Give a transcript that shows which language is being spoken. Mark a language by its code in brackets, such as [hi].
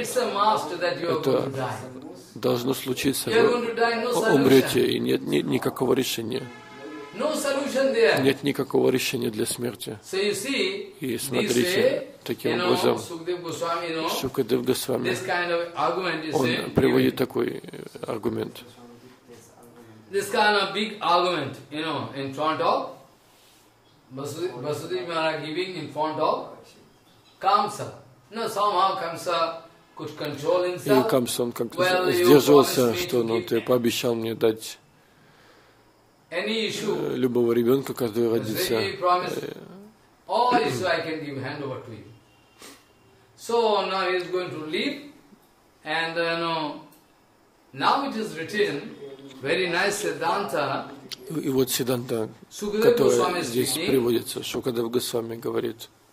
[en] it's a must that you are going to die. [ru] Должно случиться, вы умрете, и нет никакого решения. [en] No solution there. [ru] Нет никакого решения для смерти. [en] So you see, [ru] и смотрите, таким образом, Шукадев Госвами, он приводит такой аргумент. [en] This kind of big argument, you know, in front of Vasudeva Maharaj giving in front of Kamsa. No, somehow Kamsa could control himself. [ru] И Камса, он как-то сдерживался, что, ну, ты пообещал мне дать любого ребенка, который родится. [en] All issue I can give hand over to him. So now he is going to leave, and you know, now it is written. Very nice Siddhanta. [ru] И вот Сиддханта, который здесь приводится, Шукадев Госвами говорит.